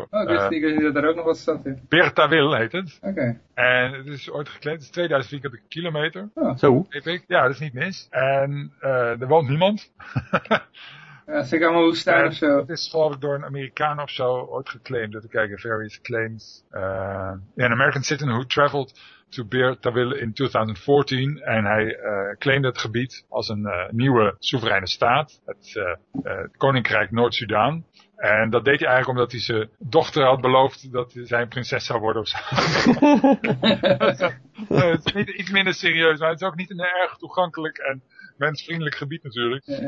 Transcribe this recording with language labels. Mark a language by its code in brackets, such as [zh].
[nl] Ik wist niet dat daar ook nog wat zat in. Bertawil heet het. Okay. En het is ooit geclaimd. Het is 2000 vierkante kilometer. Oh. Zo. Ja, dat is niet mis. En er woont niemand. Ja, zeg allemaal woestijn of zo. Het is geloof ik door een Amerikaan of zo ooit geclaimd. Dat we kijken, [en] various claims. An American citizen who traveled to Bertawil in 2014. [nl] En hij claimde het gebied als een nieuwe soevereine staat. Het Koninkrijk Noord-Soedan. En dat deed hij eigenlijk omdat hij zijn dochter had beloofd dat zij een prinses zou worden of zo. Het is niet, iets minder serieus, maar het is ook niet een erg toegankelijk en mensvriendelijk gebied natuurlijk.